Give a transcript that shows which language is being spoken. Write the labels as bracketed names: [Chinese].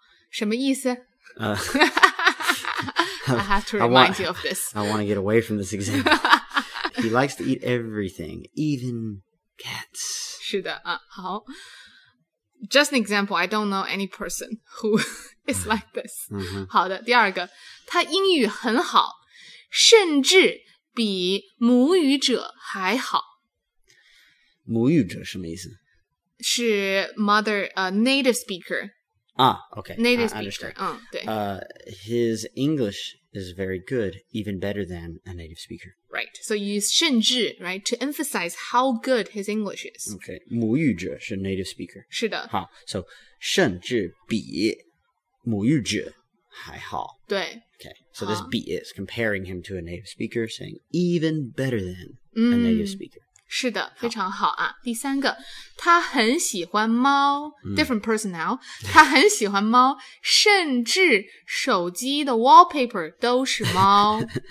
[Chinese] 什么意思 [English] I have to remind want, you of this. I want to get away from this example. He likes to eat everything, even cats. [Chinese] 是的、好。 [English] Just an example, I don't know any person who is like this.、 Mm-hmm. [Chinese] 好的第二个他英语很好甚至比母语者还好。母语者什么意思是 [English] mother, native speaker. Ah, okay. Native I speaker. Understand.、 [Chinese] 对。 [English] His English is very good, even better than a native speaker. Right, so you use 甚至 right, to emphasize how good his English is. Okay, [Chinese] 母语者是 [English] native speaker. [Chinese] 是的。好 [English] so [Chinese] 甚至比母语者还好。对。 [English] Okay, so this 比 is comparing him to a native speaker, saying even better than a native speaker.、 [Chinese] 嗯、是的非常好啊。第三个他很喜欢猫、 [English] different person now, [Chinese] 他很喜欢猫甚至手机的 wallpaper 都是猫。